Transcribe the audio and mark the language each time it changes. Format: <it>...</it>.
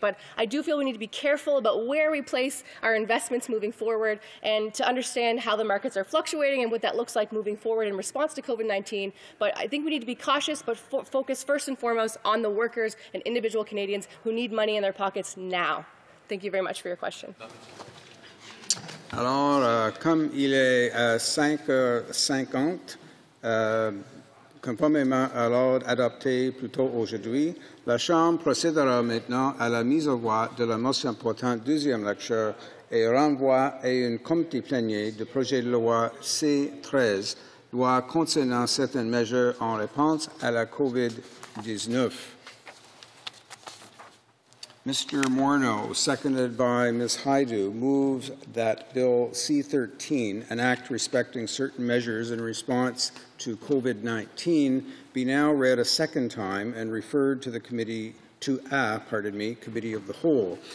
<en>But I do feel we need to be careful about where we place our investments moving forward and to understand how the markets are fluctuating and what that looks like moving forward in response to COVID-19. But I think we need to be cautious, but focus first and foremost on the workers and individual Canadians who need money in their pockets now. Thank you very much for your question.</en> <fr>Alors, comme il est 5h50, conformément à l'ordre adopté plus tôt aujourd'hui, la Chambre procédera maintenant à la mise au voie de la motion portant deuxième lecture et renvoie à une committee plénière du projet de loi C-13, loi concernant certaines mesures en réponse à la COVID-19.</fr> <en>Mr. Morneau, seconded by Ms. Haidu, moves that Bill C-13, an act respecting certain measures in response to COVID-19, be now read a second time and referred to the Committee of the Whole.</en>